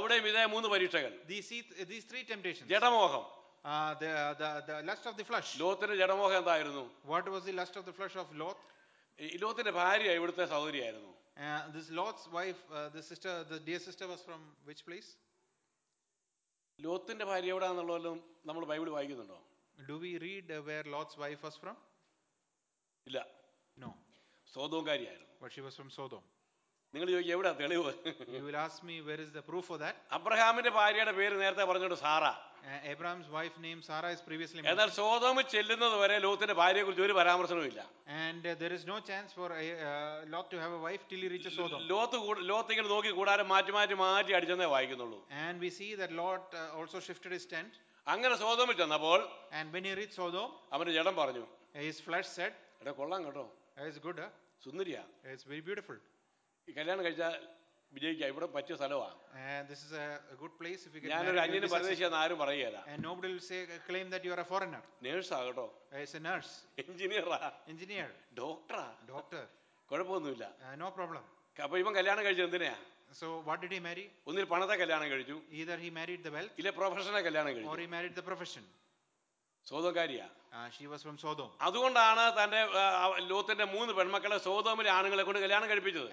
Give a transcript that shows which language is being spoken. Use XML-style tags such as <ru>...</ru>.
<ml>Avadeyum idhe moonu parikshagal.</ml> <en>These three temptations.</en> <ml>Jadamoham.</ml> <en>The lust of the flesh.</en> <ml>Lothinte jadamoham endayirunnu.</ml> <en>What was the lust of the flesh of Lot?</en> <ml>Lothinte bhariya ivadte sahodari ayirunnu.</ml> <en>This Lot's wife, the sister, the dear sister was from which place?</en> <ml>ലോത്തിന്റെ ഭാര്യ എവിടാന്നുള്ളതും നമ്മൾ Bible വായിക്കുന്നുണ്ടോ?</ml> <en>Do we read where Lot's wife was from?</en> <ml>ഇല്ല.</ml> <en>No.</en> <ml>സോദോംകാരിയായിരുന്നു.</ml> <en>But she was from Sodom.</en> <ml>നിങ്ങൾ ചോദിക്കുക എവിടാ തെളിവ്?</ml> <en>You will ask me where is the proof for that?</en> <ml>അബ്രഹാമിന്റെ ഭാര്യയുടെ പേര് നേരത്തെ പറഞ്ഞിട്ട് Sara.</ml> <en>Abraham's wife name Sarah is previously mentioned.</en> <ml>എന്നാൽ സോദോമിൽ ചെല്ലുന്നതുവരെ ലോത്തിന്റെ ഭാര്യയെക്കുറിച്ച് ഒരു പരാമർശവുമില്ല.</ml> <en>And there is no chance for Lot to have a wife till he reaches Sodom.</en> <ml>Lot ഇങ്ങനെ നോക്കി കൂടാരം മാറ്റി മാറ്റി മാറ്റി അടിച്ചെന്നേ വായിക്കുന്നുള്ളൂ.</ml> <en>And we see that Lot also shifted his tent.</en> <ml>അങ്ങനെ സോദോമിൽ ചെന്നപ്പോൾ,</ml> <en>and when he reached Sodom,</en> <ml>അവന്റെ ജഡം പറഞ്ഞു.</ml> <en>His flesh said,</en> <ml>"എടാ കൊള്ളാം കേട്ടോ.</ml> <en>It's good.</en> <ml>സുന്ദരിയ.</ml> <en>It's very beautiful.</en> <ml>ഈ കല്യാണം കഴിച്ചാൽ വിജയിക്കാം, ഇവിടെ പറ്റിയ സ്ഥലമാ.</ml> <en>And this is a good place if you get married.</en> <ml>ഞാൻ ഒരു അന്യന് പരദേശിയാണ് ആരും പറയില്ല.</ml> <en>And nobody will say claim that you are a foreigner.</en> <ml>Nurse ആകട്ടോ.</ml> <en>As a nurse.</en> <ml>എഞ്ചിനീയറാ. Engineer. ഡോക്ടറാ. Doctor. കുഴപ്പമൊന്നുമില്ല.</ml> <en>No problem.</en> <ml>അപ്പൊ ഇവൻ കല്യാണം കഴിച്ചത് എന്തിനാ?</ml> <en>So what did he marry?</en> <ml>ഒന്നിൽ പണത്തെ കല്യാണം കഴിച്ചു.</ml> <en>Either he married the wealth.</en> <ml>ഇല്ല പ്രൊഫഷനെ കല്യാണം കഴിച്ചു.</ml> <en>Or he married the profession.</en> <ml>സോദോംകാരിയാ.</ml> <en>She was from Sodom.</en> <ml>അതുകൊണ്ടാണ് തന്റെ ലോത്തിന്റെ മൂന്ന് പെൺമക്കളെ സോദോമിലെ ആണുങ്ങളെ കൊണ്ട് കല്യാണം കഴിപ്പിച്ചത്.</ml>